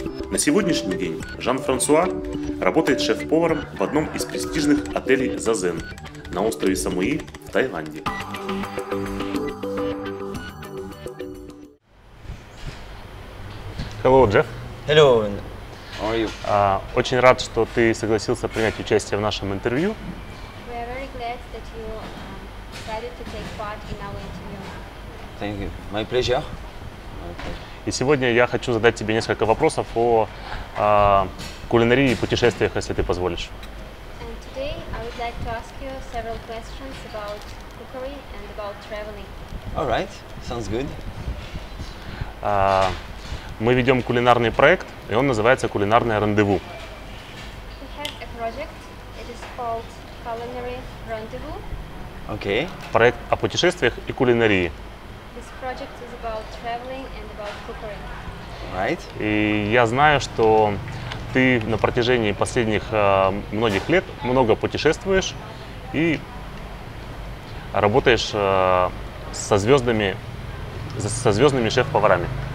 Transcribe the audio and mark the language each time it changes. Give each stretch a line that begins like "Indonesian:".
Russian: На сегодняшний день Жан-Франсуа работает шеф-поваром в одном из престижных отелей «Зазен» на острове Самуи в Таиланде.
English: Hello, Jeff. Hello. How are you?
Russian: Очень рад, что ты согласился принять участие в нашем интервью.
English: We are very glad that you decided to take part in our interview. Thank you. My pleasure.
Russian: И сегодня я хочу задать тебе несколько вопросов о кулинарии и путешествиях, если ты позволишь.
English: And today I would like to ask you several questions about cookery and about traveling. All right. Sounds good.
Russian: Мы ведем кулинарный проект, и он называется «Кулинарное рандеву».
English: We have a project. It is called Culinary Rendezvous. Okay.
Russian: Проект о путешествиях и кулинарии.
English: This project is about traveling and about cookery. Right.
Russian: И я знаю, что ты на протяжении последних многих лет много путешествуешь и работаешь со звездными шеф-поварами.